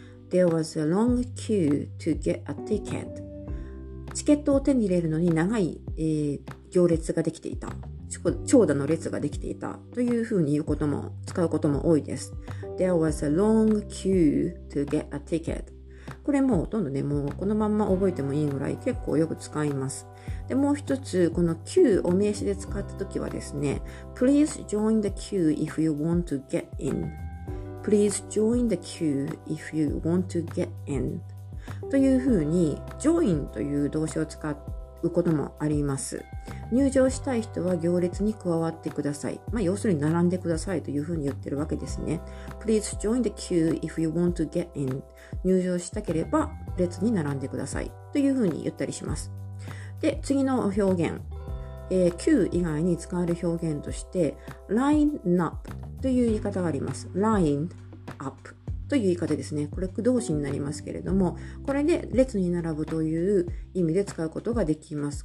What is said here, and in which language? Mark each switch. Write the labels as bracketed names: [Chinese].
[English] There was a long queue to get a ticket. [Japanese] チケットを手に入れるのに長い、行列ができていた。長蛇の列ができていた。というふうに言うことも、使うことも多いです。 [English] There was a long queue to get a ticket. [Japanese] これもほとんどね、もうこのまんま覚えてもいいぐらい結構よく使います。で、もう一つ、この Q を名詞で使ったときはですね、 [English] Please join the queue if you want to get in. Please join the queue if you want to get in. [Japanese] というふうに、join という動詞を使うこともあります。入場したい人は行列に加わってください。まあ、要するに並んでくださいというふうに言ってるわけですね。 [English] Please join the queue if you want to get in. [Japanese] 入場したければ列に並んでくださいというふうに言ったりします。で、次の表現、Q 以外に使われる表現として、line up という言い方があります。 line up という言い方ですね。これ、駆動詞になりますけれども、これで列に並ぶという意味で使うことができます。